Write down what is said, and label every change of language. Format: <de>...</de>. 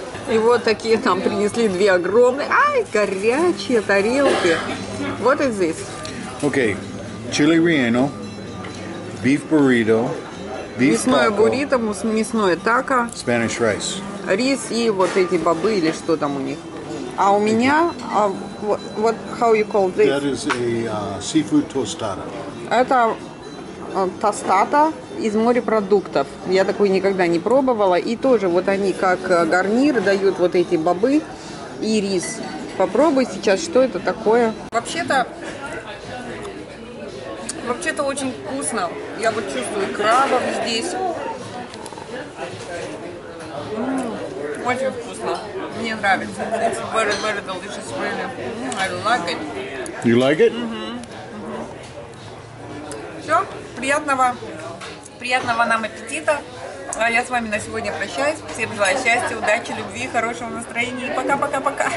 <ru>И вот такие нам принесли две огромные, ай, горячие тарелки.</ru> <en>What is this? Okay, chili relleno, beef burrito, beef taco.</en> <ru>Мясное буррито, мясное тако.</ru> <en>Spanish rice.</en> <ru>Рис и вот эти бобы или что там у них. А у меня,</ru> <en>what, how you call this? That is a seafood tostada.</en> <ru>Это тостата из морепродуктов. Я такой никогда не пробовала. И тоже вот они как гарнир дают вот эти бобы и рис. Попробуй сейчас, что это такое. Вообще-то очень вкусно. Я вот чувствую крабов здесь. Очень вкусно. Мне нравится.</ru> <en>It's very, very delicious, really. I like it. You like it?</en> <ru>Все, приятного нам аппетита. А я с вами на сегодня прощаюсь. Всем желаю счастья, удачи, любви, хорошего настроения. И пока-пока-пока.</ru>